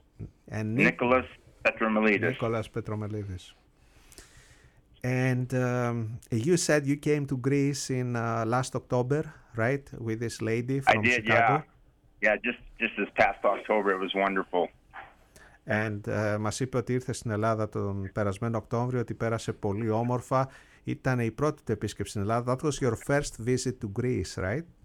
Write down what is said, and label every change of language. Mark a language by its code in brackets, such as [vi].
[en] Yeah. And Nicholas Petromelidis. Nicholas Petromelidis. And you said you came to Greece in last October, right, with this lady from Chicago? I did, yeah. Yeah, just this past October, it was wonderful. [el] And μας είπε ότι ήρθε στην Ελλάδα τον περασμένο Οκτώβριο, ότι πέρασε πολύ όμορφα. Ήταν η πρώτη του επίσκεψη στην Ελλάδα. [en] That was your first visit to Greece, right?